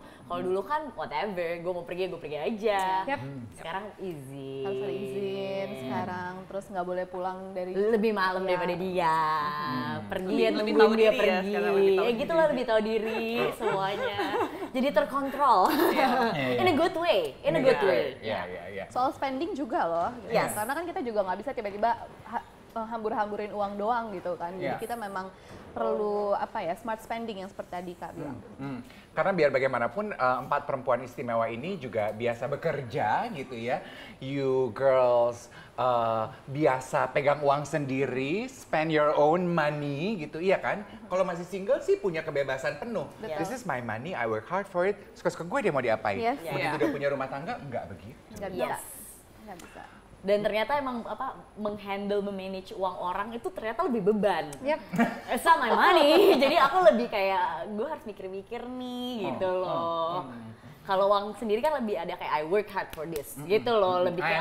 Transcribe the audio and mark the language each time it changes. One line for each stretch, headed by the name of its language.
Indonesian: Kalau dulu kan whatever, gue pergi aja.
English: Yep.
Indonesian: Sekarang izin. Harus izin sekarang, terus gak boleh pulang dari... Lebih malam daripada dia. Pergi, lebih tahu dia pergi. Ya gitu lah, lebih tahu diri semuanya. Jadi terkontrol.
English: In a good way, in a good way.
Indonesian: Soal spending juga loh.
English: Yes.
Indonesian: Karena kan kita juga gak bisa tiba-tiba hambur-hamburin uang doang gitu kan. Jadi kita memang perlu apa ya, smart spending yang seperti tadi Kak bilang. Karena biar bagaimanapun empat perempuan istimewa ini juga biasa bekerja gitu ya.
English: You girls
Indonesian: biasa pegang uang sendiri,
English: spend your own money
Indonesian: gitu, iya kan? Kalau masih single sih punya kebebasan penuh. Betul.
English: This is my money, I work hard for it.
Indonesian: Suka-suka gue deh mau diapain. Begitu udah punya rumah tangga, enggak begitu. Enggak bisa. Enggak bisa. Dan ternyata emang apa menghandle memanage uang orang itu ternyata lebih beban.
English: Yep. It's not my money.
Indonesian: Jadi aku lebih kayak gue harus mikir-mikir nih gitu loh. Kalau uang sendiri kan lebih ada kayak
English: I work hard for this
Indonesian: gitu loh, lebih kayak